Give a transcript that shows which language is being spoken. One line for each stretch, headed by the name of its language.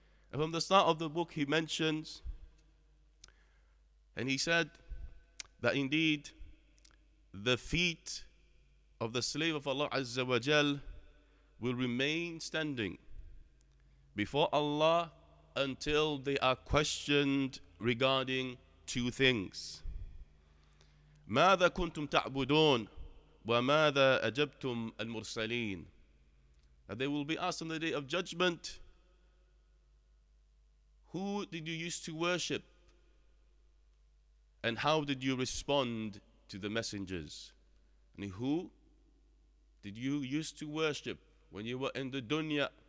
English: And from the start of the book, he mentions, and he said that indeed the feet of the slave of Allah Azza wa Jal will remain standing before Allah until they are questioned regarding two things.
Arabic: ماذا كنتم تعبدون وماذا أجبتم المرسلين.
English: And they will be asked on the day of judgment, who did you used to worship and how did you respond to the messengers? And who did you used to worship when you were in the dunya?